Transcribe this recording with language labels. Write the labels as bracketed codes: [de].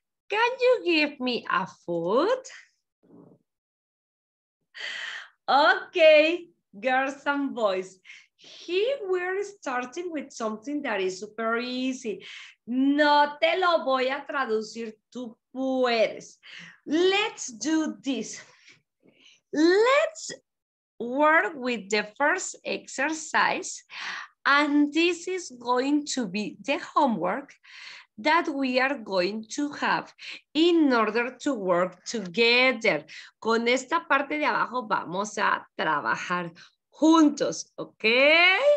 [en] Can you give me a food? Okay, girls and boys. Here we're starting with something that is super easy. [es] No te lo voy a traducir, tú puedes. [en] Let's do this. Let's work with the first exercise. And this is going to be the homework that we are going to have in order to work together. [es] Con esta parte de abajo vamos a trabajar juntos, okay?